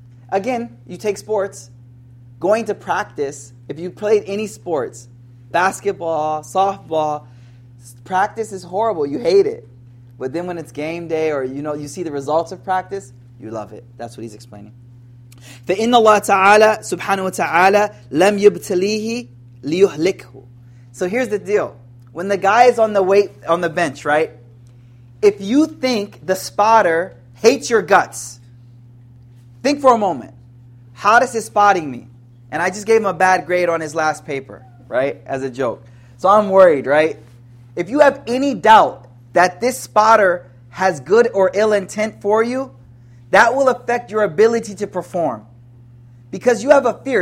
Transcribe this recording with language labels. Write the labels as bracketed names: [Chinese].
[English] Again, you take sports. Going to practice, if you played any sports, basketball, softball, practice is horrible. You hate it. But then when it's game day or you know you see the results of practice, you love it. That's what he's explaining. [Arabic] فَإِنَّ اللَّهَ تَعَالَى سُبْحَانَهُ وَتَعَالَى لَمْ يُبْتَلِيهِ لِيُهْلِكْهُ [English] So here's the deal. When the guy is on the weight on the bench, right? If you think the spotter hates your guts. Think for a moment. How does his spotting me? And I just gave him a bad grade on his last paper, right? As a joke. So I'm worried, right? If you have any doubt that this spotter has good or ill intent for you, that will affect your ability to perform. Because you have a fear.